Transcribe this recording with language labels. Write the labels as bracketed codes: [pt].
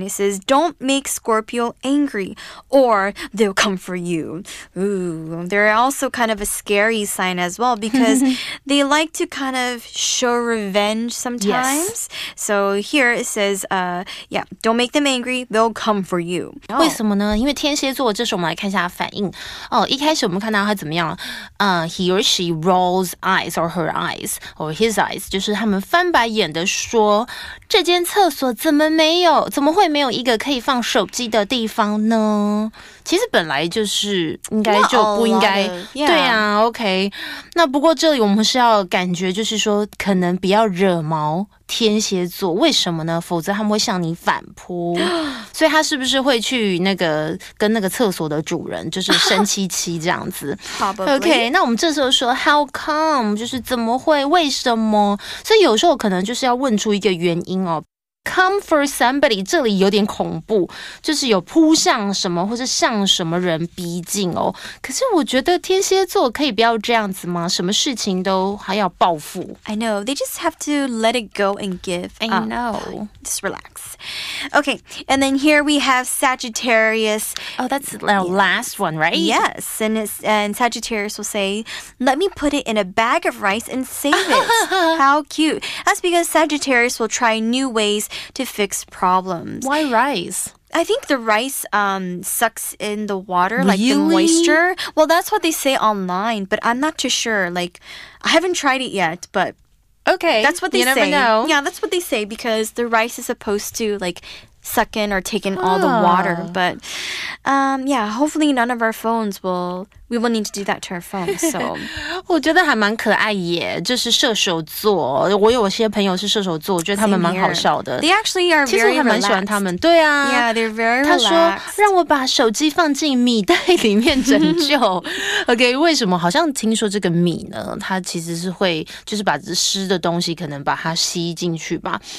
[en] It says, don't make Scorpio angry or they'll come for you. Ooh, they're also kind of a scary sign as well because they like to kind of show revenge sometimes. Yes. So here it says, don't make them angry, they'll come for you. [zh] 为什么呢？因为天蝎座，这时候我们来看一下他反应。哦，一开始我们看到他怎么样？ [en] He or she rolls eyes or her eyes or his eyes， [zh] 就是他们翻白眼的说，这间厕所怎么没有？怎么会没有一个可以放手机的地方呢？其实本来就是应该就不应该， [en] yeah. [zh] 对啊 ，OK。那不过这里我们是要感觉，就是说可能比较惹毛。天蝎座为什么呢？否则他们会向你反扑，所以他是不是会去那个跟那个厕所的主人就是生气气这样子 [en] ？Probably. [zh] OK， 那我们这时候说 How come 就是怎么会为什么？所以有时候可能就是要问出一个原因哦。Come for somebody 这里有点恐怖，就是有扑向什么或是向什么人逼近哦。可是我觉得天蝎座可以不要这样子吗？什么事情都还要报复。 [en] I know, they just have to let it go and give up. I know. Just relax. Okay, and then here we have Sagittarius. Oh, that's the last one, right? Yes, and Sagittarius will say, let me put it in a bag of rice and save it. How cute. That's because Sagittarius will try new ways to fix problems. Why rice? I think the rice sucks in the water, like、 really? the moisture. Well, that's what they say online, but I'm not too sure. Like, I haven't tried it yet, but... Okay, that's what they you never say. Know. Yeah, that's what they say, because the rice is supposed to, like... suck in or take in all the water. But, hopefully none of our phones will... We will need to do that to our phones, so... [zh] 我觉得还蛮可爱耶，就是射手座。我有些朋友是射手座，我觉得他们蛮好笑的。 [en] They actually are very relaxed. [zh] 其实我还蛮喜欢他们。对啊。 [en] Yeah, they're very relaxed. [zh] 他说，让我把手机放进米袋里面拯救。 OK, 为什么？好像听说这个米呢，它其实是会就是把湿的东西可能把它吸进去吧。